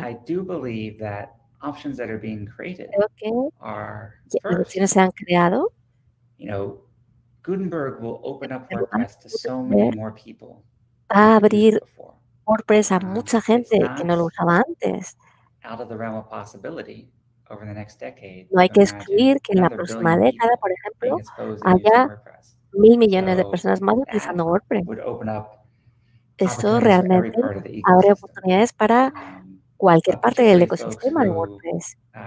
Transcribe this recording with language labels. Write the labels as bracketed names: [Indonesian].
[English] I do believe that options that are being created [Spanish] opciones se han creado. [English] Gutenberg will open up WordPress to so many more people. [Spanish] Va a abrir WordPress a mucha gente que no lo usaba antes. [English] Out of the realm of possibility, over the next decade, [Spanish] no hay que excluir que en la próxima década, por ejemplo, haya 1,000 millones de personas más utilizando WordPress. Esto realmente abre oportunidades para cualquier parte del ecosistema de WordPress.